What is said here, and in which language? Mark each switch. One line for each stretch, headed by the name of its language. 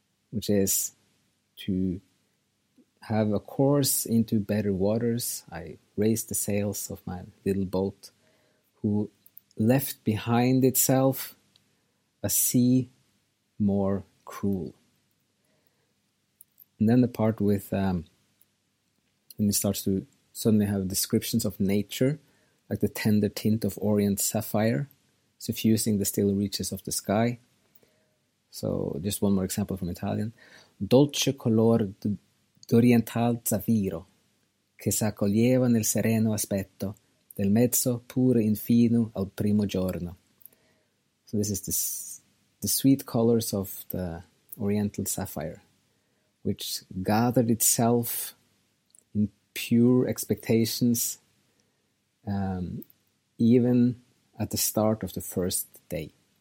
English: Which is "to have a course into better waters, I raise the sails of my little boat, who left behind itself a sea more cruel." And then the part with when he starts to suddenly have descriptions of nature, like the tender tint of orient sapphire, suffusing the still reaches of the sky. So just one more example from Italian.
Italian: Dolce color d'oriental zaffiro, che s'accoglieva nel sereno aspetto, del mezzo pure infino al primo giorno.
English: So this is the sweet colors of the oriental sapphire, which gathered itself in pure expectations, even at the start of the first day.